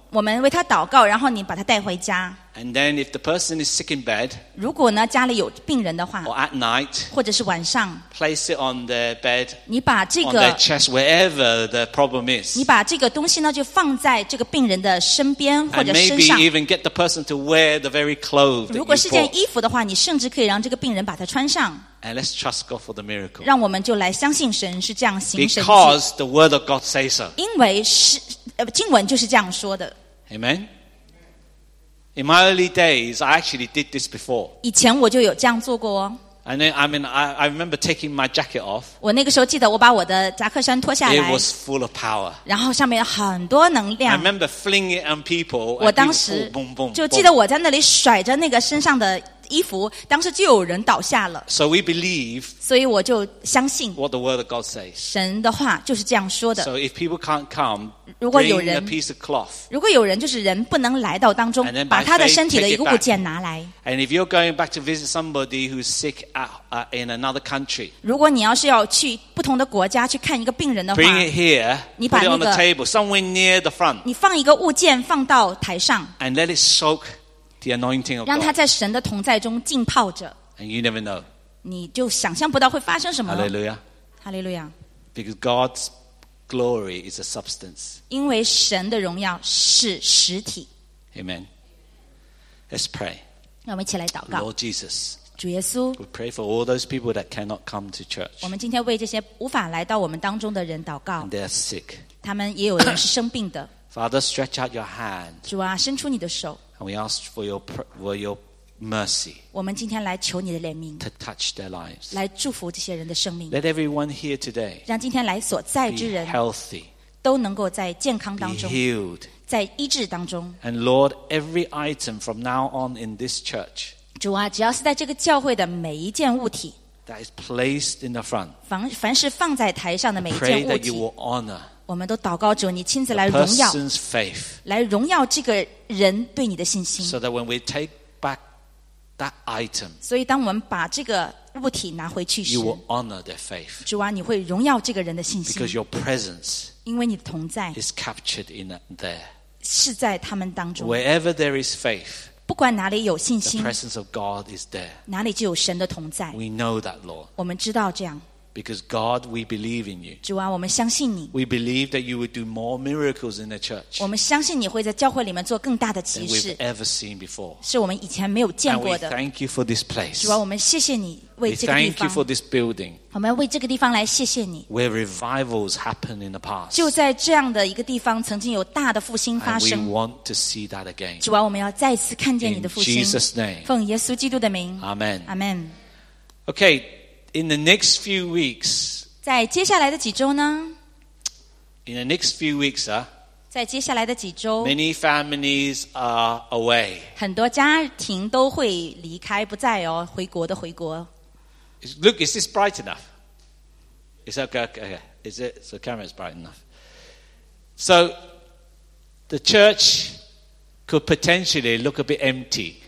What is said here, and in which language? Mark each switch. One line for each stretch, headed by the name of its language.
Chinese: 我们为它祷告，然后你把它带回家。
English: And then if the person is sick in bed,
Chinese: 如果呢家里有病人的话，
English: or at night,
Chinese: 或者是晚上，
English: place it on their bed,
Chinese: 你把这个
English: on their chest, wherever the problem is,
Chinese: 你把这个东西呢就放在这个病人的身边或者身上。
English: And maybe even get the person to wear the very clothes.
Chinese: 如果是件衣服的话，你甚至可以让这个病人把它穿上。
English: And let's trust God for the miracle.
Chinese: 让我们就来相信神是这样行神迹。
English: Because the word of God says so.
Chinese: 因为经文就是这样说的。
English: Amen. In my early days, I actually did this before.
Chinese: 以前我就有这样做过哦。
English: And then, I mean, I remember taking my jacket off.
Chinese: 我那个时候记得我把我的夹克衫脱下来。
English: It was full of power.
Chinese: 然后上面有很多能量。
English: I remember flinging it on people.
Chinese: 我当时就记得我在那里甩着那个身上的衣服，当时就有人倒下了。
English: So we believe.
Chinese: 所以我就相信。
English: What the word of God says.
Chinese: 神的话就是这样说的。
English: So if people can't come,
Chinese: 如果有人
English: bring a piece of cloth.
Chinese: 如果有人就是人不能来到当中，把他的身体的一个物件拿来。
English: And if you're going back to visit somebody who's sick in another country.
Chinese: 如果你要是要去不同的国家去看一个病人的话
English: ，bring it here.
Chinese: 你把那个
English: put it on the table somewhere near the front.
Chinese: 你放一个物件放到台上。
English: And let it soak. The anointing of God.
Chinese: 让他在神的同在中浸泡着。
English: And you never know.
Chinese: 你就想象不到会发生什么。
English: Hallelujah. Hallelujah. Because God's glory is a substance.
Chinese: 因为神的荣耀是实体。
English: Amen. Let's pray.
Chinese: 让我们一起来祷告。
English: Lord Jesus.
Chinese: 主耶稣。
English: We pray for all those people that cannot come to church.
Chinese: 我们今天为这些无法来到我们当中的人祷告。
English: And they are sick.
Chinese: 他们也有人是生病的。
English: Father, stretch out your hand.
Chinese: 主啊，伸出你的手。
English: And we ask for your mercy.
Chinese: 我们今天来求你的怜悯。
English: To touch their lives.
Chinese: 来祝福这些人的生命。
English: Let everyone here today.
Chinese: 让今天来所在之人。
English: Be healthy.
Chinese: 都能够在健康当中。
English: Be healed.
Chinese: 在医治当中。
English: And Lord, every item from now on in this church.
Chinese: 主啊，只要是在这个教会的每一件物体。
English: That is placed in the front.
Chinese: 凡是放在台上的每一件物体。
English: Pray that you will honor.
Chinese: 我们都祷告主，你亲自来荣耀，
English: person's faith,
Chinese: 来荣耀这个人对你的信心。
English: So that when we take back that item,
Chinese: 所以当我们把这个物体拿回去时，
English: you will honor their faith,
Chinese: 主啊，你会荣耀这个人的信心。
English: Because your presence,
Chinese: 因为你的同在，
English: is captured in there,
Chinese: 是在他们当中。
English: Wherever there is faith,
Chinese: 不管哪里有信心，
English: the presence of God is there,
Chinese: 哪里就有神的同在。
English: We know that, Lord,
Chinese: 我们知道这样。
English: Because God, we believe in you.
Chinese: 主啊，我们相信你。
English: We believe that you would do more miracles in the church.
Chinese: 我们相信你会在教会里面做更大的奇事。
English: Than we've ever seen before.
Chinese: 是我们以前没有见过的。
English: And we thank you for this place.
Chinese: 主啊，我们谢谢你为这个地
English: 方。We thank you for this building.
Chinese: 我们为这个地方来谢谢你。
English: Where revivals happened in the past.
Chinese: 就在这样的一个地方，曾经有大的复兴发生。
English: And we want to see that again.
Chinese: 主啊，我们要再次看见你的复兴。
English: In Jesus' name.
Chinese: 奉耶稣基督的名。
English: Amen. Amen. Okay. In the next few weeks,
Chinese: 在接下来的几周呢
English: ？In the next few weeks,
Chinese: 在接下来的几周
English: ，many families are away.
Chinese: 很多家庭都会离开，不在哦，回国的回国。
English: Look, is this bright enough? Is that okay? Is it so? Camera is bright enough. So the church could potentially look a bit empty.